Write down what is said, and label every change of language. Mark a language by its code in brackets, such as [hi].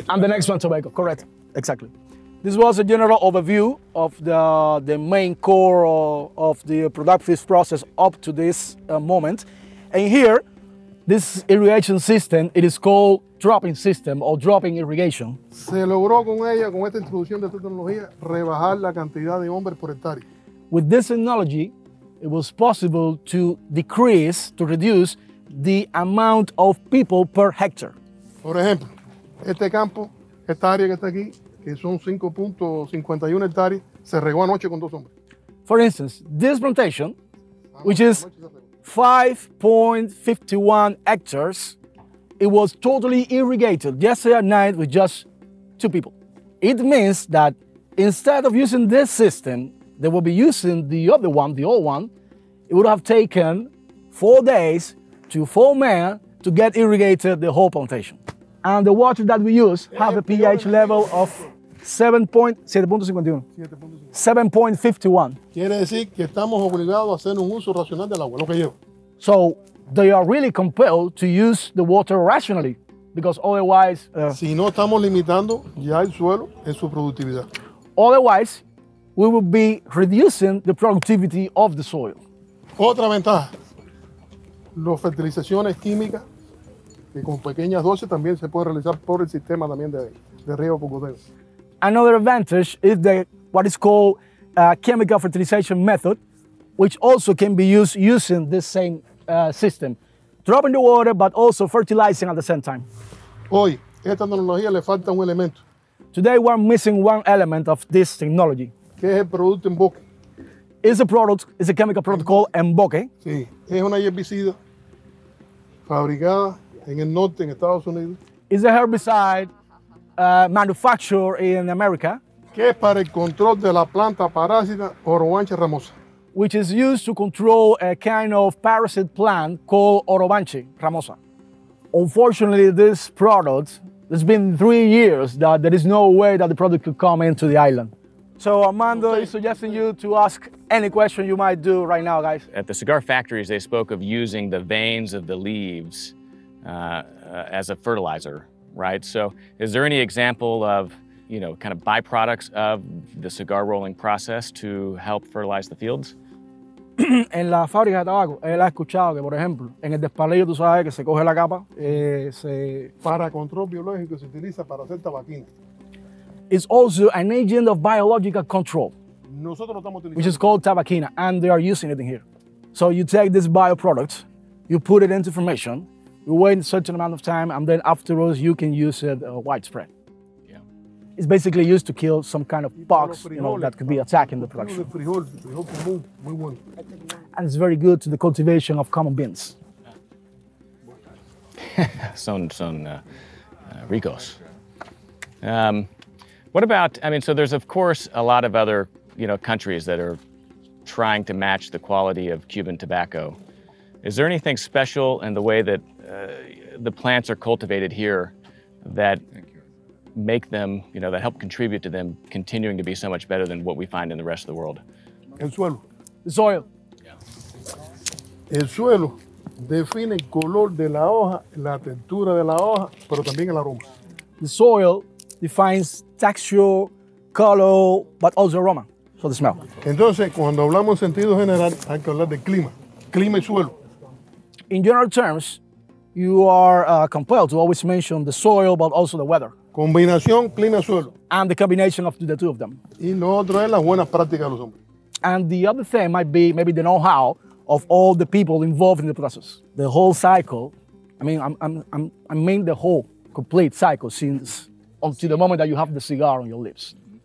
[en] tobacco. And the next one tobacco, correct, exactly. This was a general overview of the main core of the productive process up to this moment. And here, this irrigation system, it is called dropping system or dropping irrigation. [es] Se logró con ella, con esta introducción de esta tecnología, rebajar la cantidad de hombres por hectárea. [en] With this technology, it was possible to decrease, to reduce the amount of people per hectare. [es] Por ejemplo, este campo, esta área que está aquí, que son 5.51 hectáreas, se regó anoche con dos hombres. [en] For instance, this plantation, which is 5.51 hectares, it was totally irrigated yesterday at night with just two people. It means that instead of using this system, they will be using the other one, the old one. It would have taken 4 days to four men to get irrigated the whole plantation. And the water that we use have a pH level of 7.51. [es] Quiere decir que estamos obligados a hacer un uso racional del agua, lo que lleva. [en] So they are really compelled to use the water rationally, because otherwise... [es] Si no estamos limitando ya el suelo en su productividad. [en] Otherwise, we will be reducing the productivity of the soil. [es] Otra ventaja, las fertilizaciones químicas, que con pequeñas dosis también se puede realizar por el sistema también de riego por goteo. [en] Another advantage is the what is called chemical fertilization method, which also can be used using this same system. Dropping the water, but also fertilizing at the same time. [es] Hoy, esta tecnología le falta un elemento. [en] Today, we're missing one element of this technology. [es] ¿Qué es el producto emboque? [en] It's a product, it's a chemical product called emboque. [es] Sí, es una herbicida fabricada en el norte, en Estados Unidos. [en] It's a herbicide manufactured in America. [es] Que es para el control de la planta parásita Orobanche ramosa. [en] Which is used to control a kind of parasite plant called Orobanche ramosa. Unfortunately, this product, it's been 3 years that there is no way that the product could come into the island. So Armando is suggesting you to ask any question you might do right now, guys. At the cigar factories, they spoke of using the veins of the leaves as a fertilizer, right? So is there any example of, you know, kind of byproducts of the cigar rolling process to help fertilize the fields? [es] En la fábrica de tabaco, él ha escuchado que, por ejemplo, en el despalillo, tú sabes que se coge la capa, para control biológico se utiliza para hacer tabaquín. [en] It's also an agent of biological control, which is called tabaquina, and they are using it in here. So you take this bioproduct, you put it into fermentation, you wait a certain amount of time, and then afterwards you can use it widespread. Yeah. It's basically used to kill some kind of bugs, you know, that could be attacking the production. And it's very good to the cultivation of common beans. [es] Son ricos. [en] What about, I mean, so there's of course a lot of other, you know, countries that are trying to match the quality of Cuban tobacco. Is there anything special in the way that the plants are cultivated here that make them, you know, that help contribute to them continuing to be so much better than what we find in the rest of the world? [es] El suelo. [en] The soil. Yeah. [es] El suelo define el color de la hoja, la textura de la hoja, pero también el aroma. [en] The soil defines texture, color, but also aroma, so the smell. [es] Entonces, cuando hablamos en sentido general, hay que hablar de clima, clima y suelo. [en] In general terms, you are compelled to always mention the soil, but also the weather. [es] Combinación clima-suelo. [en] And the combination of the two of them. [es] Y lo otro es las buenas prácticas de los hombres. [en] And the other thing might be maybe the know-how of all the people involved in the process. The whole cycle, I mean, I mean the whole complete cycle since until the moment that you have the cigar on your lips.